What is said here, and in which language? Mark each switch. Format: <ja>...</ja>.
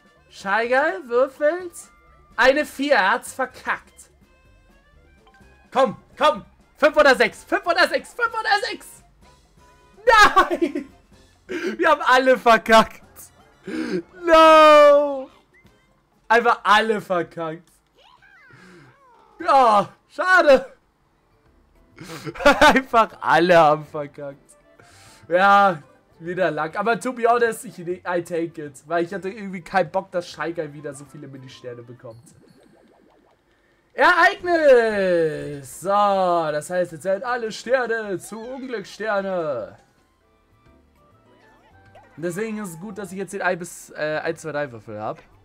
<de>Scheigei würfelt eine 4. Er hat's verkackt. Komm, komm. 5 oder 6. 5 oder 6. 5 oder 6. Nein. Wir haben alle verkackt. No. Einfach alle verkackt. Ja, oh, schade. Einfach alle haben verkackt. Ja. Wieder lang.</de> <en>Aber to be honest, I take it.</en> <de>Weil ich hatte irgendwie keinen Bock, dass Scheigei wieder so viele Mini-Sterne bekommt. Ereignis! So, das heißt, jetzt werden alle Sterne zu Unglückssterne. Deswegen ist es gut, dass ich jetzt den 1, 2, 3 Würfel habe.</de>